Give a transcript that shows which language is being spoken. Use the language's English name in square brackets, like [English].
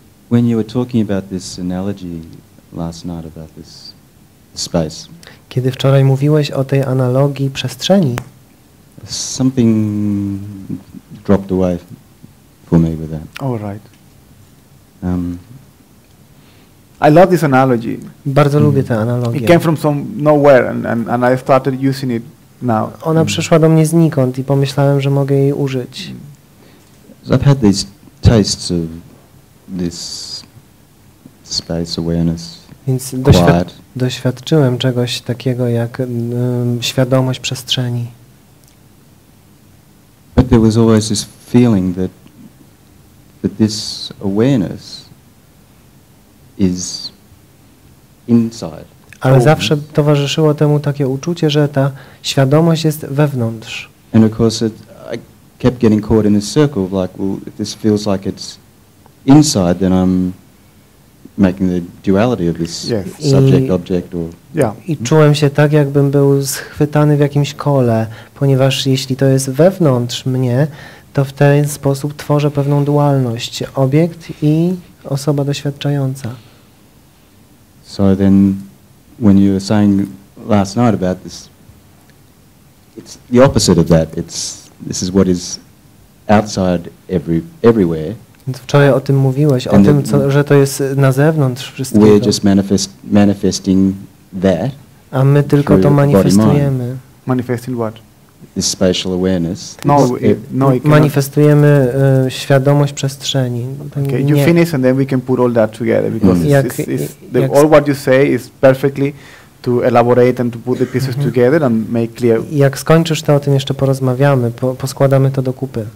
[English] When you were talking about this analogy last night about this space. [Polish] Kiedy wczoraj mówiłeś o tej analogii przestrzeni. [English] Something dropped away for me with that. Oh, right. I love this analogy. [Polish] Bardzo lubię tę analogię. [English] It came from some nowhere and I started using it now. [Polish] Ona przyszła do mnie znikąd i pomyślałem, że mogę jej użyć. [English] So I've had these tastes of this space awareness. [Polish] Więc doświadczyłem czegoś takiego jak świadomość przestrzeni. [English] But there was always this feeling that this awareness is inside. [Polish] Ale zawsze towarzyszyło temu takie uczucie, że ta świadomość jest wewnątrz. [English] And of course, I kept getting caught in this circle of like, well, if this feels like it's inside, then I'm making the duality of this subject-object or. [Polish] I czułem się tak, jakbym był schwytany w jakimś kole, ponieważ jeśli to jest wewnątrz mnie, to w ten sposób tworzę pewną dualność, obiekt i osoba doświadczająca. [English] So then, when you were saying last night about this, it's the opposite of that. This is what is outside everywhere. [Polish] Wczoraj o tym mówiłeś, o tym, że to jest na zewnątrz wszystkiego. [English] We're just manifesting that. [Polish] A my tylko to manifestujemy. [English] Manifesting what? This spatial awareness. [Polish] Manifestujemy świadomość przestrzeni. [English] Okay, you finish and then we can put all that together because it's all what you say is perfectly to elaborate and to put the pieces together and make clear. [Polish] Jak skończysz, to o tym jeszcze porozmawiamy, poskładamy to do kupy.